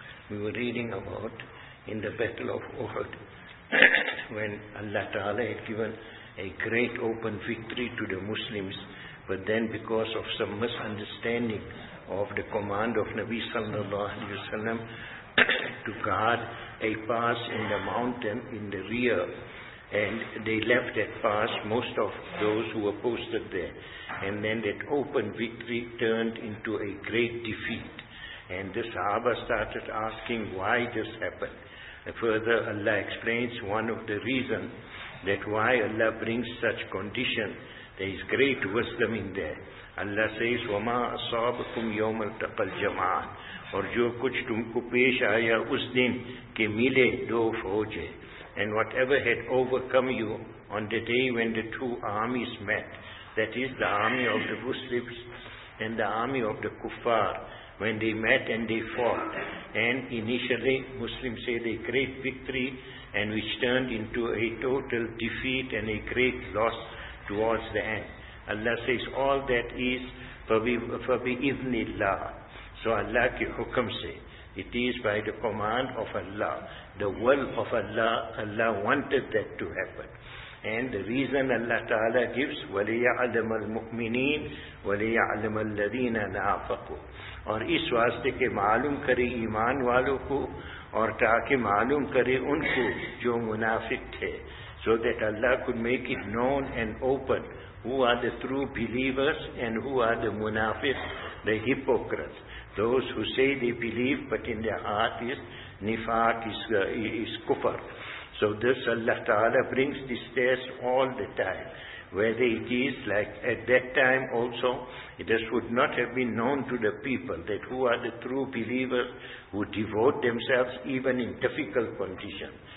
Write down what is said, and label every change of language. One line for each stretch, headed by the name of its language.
English: We were reading about in the battle of Uhud when Allah Ta'ala had given a great open victory to the Muslims, but then because of some misunderstanding of the command of Nabi Sallallahu Alaihi Wasallam to guard a pass in the mountain in the rear, and they left that pass, most of those who were posted there, and then that open victory turned into a great defeat. And the Sahaba started asking why this happened. Further, Allah explains one of the reasons that why Allah brings such condition. There is great wisdom in there. Allah says,
Arabic: وَمَا أَصَابَكُمْ يَوْمَ الْتَقَى الْجَمَعَانِ
Urdu: اور جو کچھ تم کو پیش آیا اس دن کہ ملے دو فوجے.
English: And whatever had overcome you on the day when the two armies met, that is the army of the Muslims and the army of the Kuffar, when they met and they fought. And initially Muslims say a great victory, and which turned into a total defeat and a great loss towards the end. Allah says all that is
Arabic: فَبِإِذْنِ اللَّهِ.
English: So
Urdu: Allah ki hukam se,
English: it is by the command of Allah, the will of Allah. Allah wanted that to happen. And the reason Allah Ta'ala gives,
Arabic: وَلِيَعْلَمَ الْمُؤْمِنِينَ وَلِيَعْلَمَ الَّذِينَ نَافَقُوا,
Urdu: اور اس واسطے کے معلوم کرے ایمان والوں کو, اور تاکہ معلوم کرے ان کو جو منافق تھے.
English: So that Allah could make it known and open who are the true believers and who are the munafiq, the hypocrites, those who say they believe but in their heart is nifaq, is kufr. So this Allah Ta'ala brings this test all the time, whether it is like at that time also, this would not have been known to the people, that who are the true believers who devote themselves even in difficult conditions.